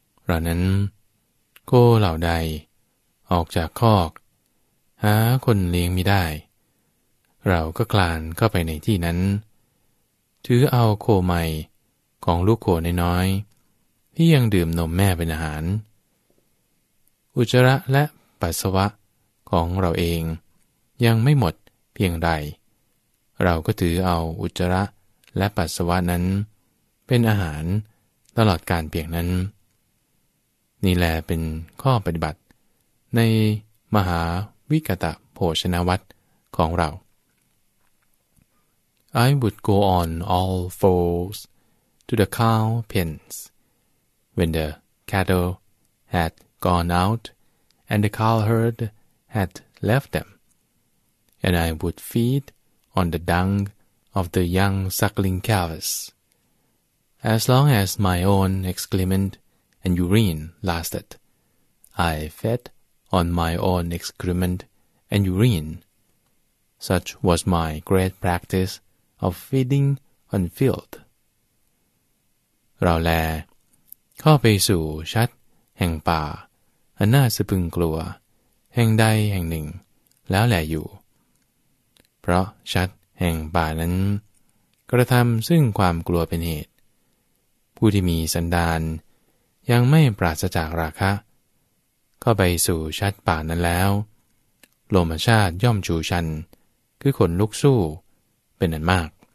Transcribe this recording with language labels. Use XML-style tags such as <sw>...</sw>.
<th>รานั้นโคเหล่าใดออกจากคอกหาคนเลี้ยงไม่ได้เราก็คลานเข้าไปในที่นั้นถือเอาโคใหม่ของลูกโคน้อยๆที่ยังดื่มนมแม่เป็นอาหารอุจจาระและปัสสาวะของเราเองยังไม่หมดเพียงใดเราก็ถือเอาอุจจาระและปัสสาวะนั้นเป็นอาหาร ตลอดการเพียงนั้นนี่แหละเป็นข้อปฏิบัติในมหาวิกตโภชนวัตรของเรา</th> <en>I would go on all fours to the cow pens when the cattle had gone out and the cow herd had left them, and I would feed on the dung of the young suckling calves, as long as my own excrement and urine lasted. I fed on my own excrement and urine. Such was my great practice of feeding on filth.</en> <th>เราแลเข้าไปสู่ชัดแห่งป่าอันน่าสะพึงกลัวแห่งใดแห่งหนึ่งแล้วแหละอยู่เพราะชัดแห่งป่านั้นกระทำซึ่งความกลัวเป็นเหตุผู้ที่มีสันดานยังไม่ปราศจากราคะก็ไปสู่ชัดป่านั้นแล้วโลมชาติย่อมชูชันคือขนลุกสู้เป็นอันมาก</th>